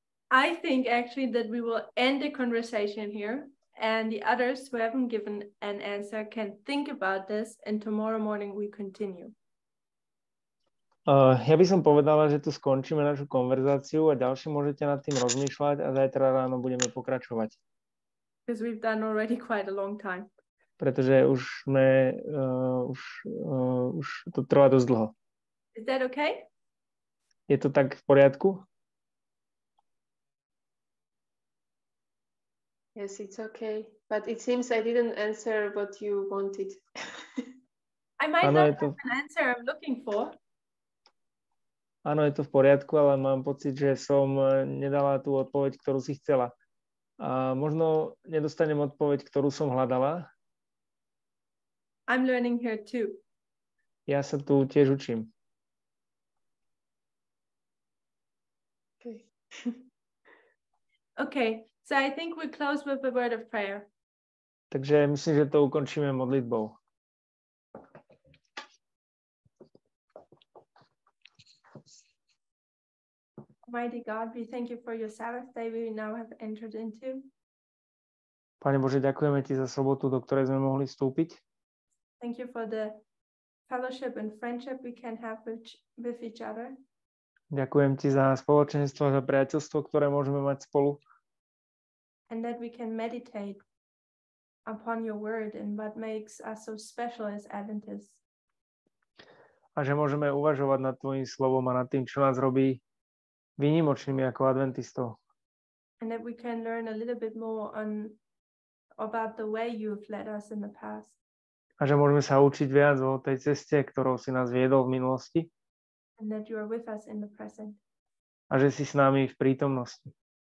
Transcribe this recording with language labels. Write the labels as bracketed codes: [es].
[en] I think actually that we will end the conversation here and the others who haven't given an answer can think about this and tomorrow morning we continue. [sk] Ja by som povedala, že tu skončíme našu konverzáciu a ďalší môžete nad tým rozmýšľať a zajtra ráno budeme pokračovať. [en] Because we've done already quite a long time. [sk] Pretože už sme už to trvá dosť dlho. [en] Is that okay? [sk] Je to tak v poriadku? [en] Yes, it's okay. But it seems I didn't answer what you wanted. I might ano, not have to an answer I'm looking for. [sk] Áno, je to v poriadku, ale mám pocit, že som nedala tú odpoveď, ktorú si chcela. A možno nedostanem odpoveď, ktorú som hľadala. [en] I'm learning here too. [sk] Ja sa tu tiež učím. [en] Okay, so I think we close with a word of prayer. [sk] Takže myslím, že to ukončíme modlitbou. [en] Mighty God, we thank you for your Sabbath day we now have entered into. [sk] Pane Bože, ďakujeme ti za sobotu, do ktorej sme mohli vstúpiť. [en] Thank you for the fellowship and friendship we can have with each other. [sk] Ďakujem ti za spoločenstvo, za priateľstvo, ktoré môžeme mať spolu. [en] And that we can meditate upon your word and what makes us so special as Adventists. [sk] A že môžeme uvažovať nad tvojim slovom a nad tým, čo nás robí výnimočnými ako Adventistov. [en] And that we can learn a little bit more on about the way you've led us in the past. [sk] A že môžeme sa učiť viac o tej ceste, ktorou si nás viedol v minulosti. [en] And that you are with us in the present. [sk] A že si s nami v prítomnosti.